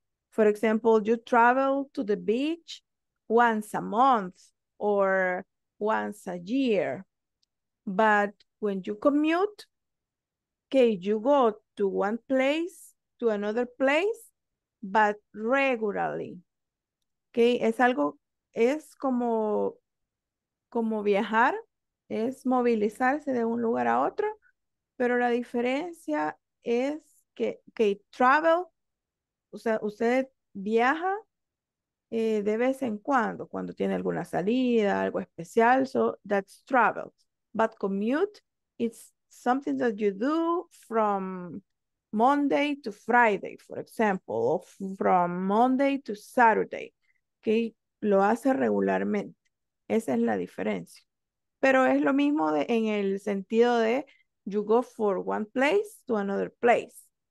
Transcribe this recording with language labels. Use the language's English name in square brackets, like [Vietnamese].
[English] For example, you travel to the beach once a month or once a year. But when you commute, okay, you go to one place, to another place, but regularly. [Spanish] Okay, es algo, es como, como viajar, es movilizarse de un lugar a otro, pero la diferencia es que travel, o sea, usted viaja de vez en cuando, cuando tiene alguna salida, algo especial, [English] so that's travel. But commute, it's something that you do from Monday to Friday, for example, or from Monday to Saturday, [Spanish] que lo hace regularmente. Esa es la diferencia. Pero es lo mismo de, en el sentido de [English] you go for one place to another place.